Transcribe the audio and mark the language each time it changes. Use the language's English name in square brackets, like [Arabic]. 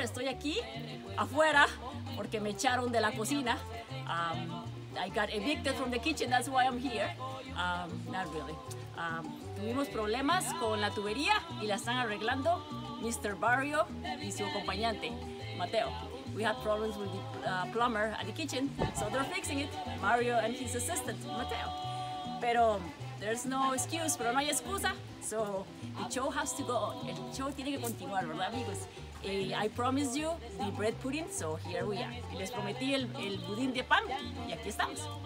[Spanish] Estoy aquí afuera porque me echaron de la cocina. [English] I got evicted from the kitchen. That's why I'm here. Not really. [Spanish] Tuvimos problemas con la tubería y la están arreglando Mr. Barrio y su acompañante, Mateo. [English] We had problems with the plumber at the kitchen, so they're fixing it, Mario and his assistant, Mateo. Pero there's no excuse, [Spanish] pero no hay excusa, [English] so the show has to go on. [Spanish] El show tiene que continuar, ¿verdad, amigos? [English] I promised you the bread pudding, so here we are. [Spanish] Les prometí el budín de pan y aquí estamos.